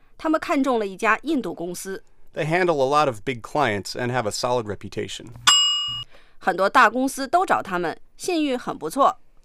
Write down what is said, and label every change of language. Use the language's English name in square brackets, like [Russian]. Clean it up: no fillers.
[Chinese] 他们看中了一家印度公司。 [English] They handle a lot of big clients and have a solid reputation. [Chinese] 很多大公司都找他们，信誉很不错。